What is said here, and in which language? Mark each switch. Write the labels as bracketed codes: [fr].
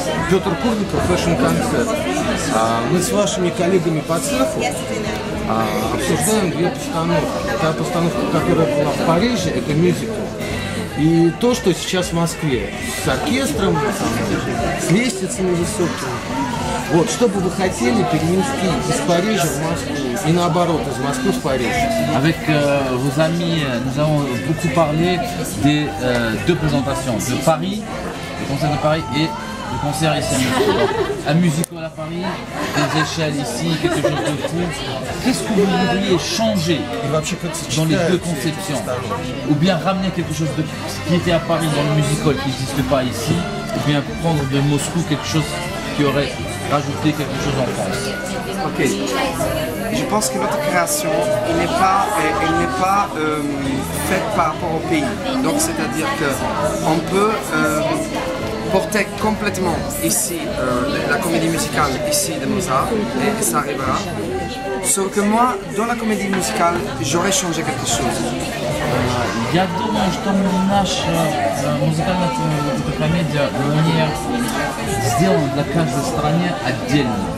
[ru] Петр Курников, Fashion Concert. Мы с вашими коллегами по цеху обсуждаем две постановки. Та постановка, которая была в Париже, это мюзикл. И то, что сейчас в Москве, с оркестром, с лестницами высокими. Вот, что бы вы хотели перенести из Парижа в Москву и наоборот, из Москвы в Париж? [fr] Avec vos amis, nous avons beaucoup parlé des deux présentations, de Paris, le concert de Paris et le concert ici. Un musical à Paris, des échelles ici, quelque chose de fou. Qu'est-ce que vous voudriez changer dans les deux conceptions? Ou bien ramener quelque chose de qui était à Paris dans le musical qui n'existe pas ici, ou bien prendre de Moscou quelque chose qui aurait rajouté quelque chose en France? Ok. Je pense que votre création, elle n'est pas faite par rapport au pays. Donc c'est-à-dire que on peut porter complètement ici la comédie musicale ici de Mozart et ça arrivera. Sauf que moi, dans la comédie musicale, j'aurais changé quelque chose. [ru] Я думаю, что мы наша музыкальная комедия Луньер сделана для каждой страны отдельно.